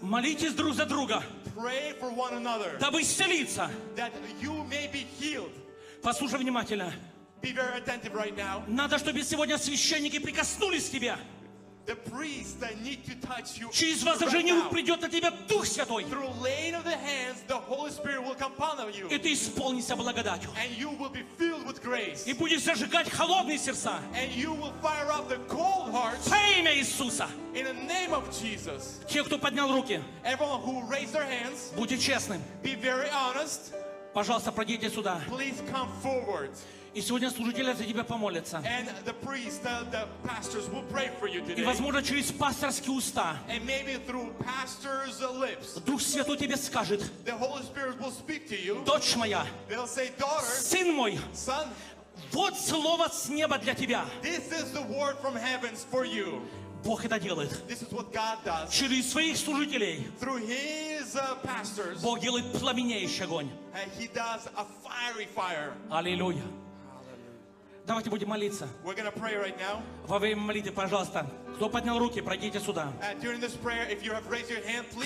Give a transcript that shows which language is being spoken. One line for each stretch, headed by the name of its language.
Russian: Молитесь друг за друга.
English: Pray for one another.
Russian: Дабы исцелиться.
English: That you may be healed.
Russian: Послушай внимательно.
English: Be very attentive right now.
Russian: Надо, чтобы сегодня священники прикоснулись к тебе.
English: The priest that need to touch you.
Russian: Через возложение рук придет на тебя Дух Святой.
English: Through laying of the hands, the Holy Spirit will come upon you.
Russian: И ты исполнишься благодатью.
English: And you will be filled with grace.
Russian: И будешь зажигать холодные сердца.
English: And you will fire up the cold hearts.
Russian: Во имя Иисуса.
English: In the name of Jesus.
Russian: Те, кто поднял руки.
English: Everyone who raised their hands.
Russian: Будьте честным.
English: Be very honest.
Russian: Пожалуйста, пройдите сюда.
English: Please come forward.
Russian: И сегодня служители за тебя помолятся.
English: And the priest, the pastors will pray for you today.
Russian: И возможно через пасторские уста.
English: And maybe through pastors' lips.
Russian: Дух Святой тебе скажет.
English: The Holy Spirit will speak to you.
Russian: Дочь моя.
English: They'll say, daughter.
Russian: Сын мой.
English: Son.
Russian: Вот слово с неба для тебя.
English: This is the word from heavens for you.
Russian: Бог это делает.
English: This is what God does.
Russian: Через своих служителей.
English: Through his pastors.
Russian: Бог делает пламенеющий огонь.
English: And he does a fiery fire.
Russian: Аллилуйя. Давайте будем молиться.
English: We're gonna pray right now.
Russian: Во время молитвы, пожалуйста, кто поднял руки, пройдите сюда.
English: And during this prayer, if you have raised your hand, please